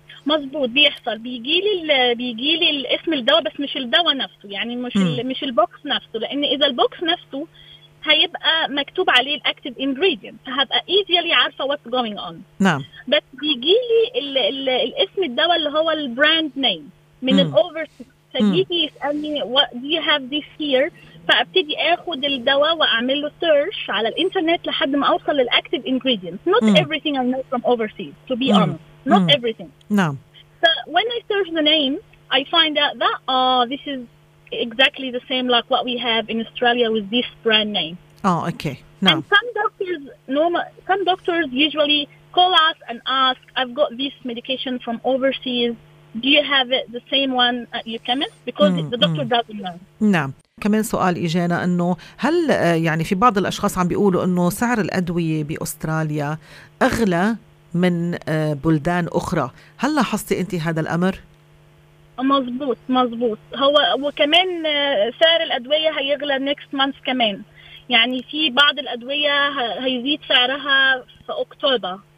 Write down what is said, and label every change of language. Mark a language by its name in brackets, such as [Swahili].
[Arabic] مظبوط بيحصل بيجيلي اسم الدواء بس مش الدواء نفسه يعني مش البوكس نفسه لأن إذا البوكس نفسه هيبقى مكتوب عليه الأكتيف إنجريدينت فهبقى إيزيلي عارفة [English] what's going on. [Arabic] نعم. بس بيجيلي الاسم الدواء اللي هو البراند نيم من الأوفرسيز فبيجي يسألني [English] what do you have this here [Arabic] فأبتدي أخد الدواء وأعمل له سيرش على الإنترنت لحد ما أوصل للأكتيف إنجريدينت. [English] Not everything I know from overseas to be honest. Not everything. No. So when I search the name, I find out that, this is exactly the same like what we have in Australia with this brand name. Oh, okay. No. And some doctors usually call us and ask, I've got this medication from overseas. Do you have it, the same one at your chemist? Because the doctor doesn't know. No. [Arabic] كمان سؤال إجانا أنه هل يعني في بعض الأشخاص عم بيقولوا أنه سعر الأدوية بأستراليا أغلى من بلدان أخرى، هل لاحظتي أنت هذا الأمر؟ مظبوط مظبوط هو وكمان سعر الأدوية هيغلى [English] next month [Arabic] كمان يعني في بعض الأدوية هيزيد سعرها في أكتوبر.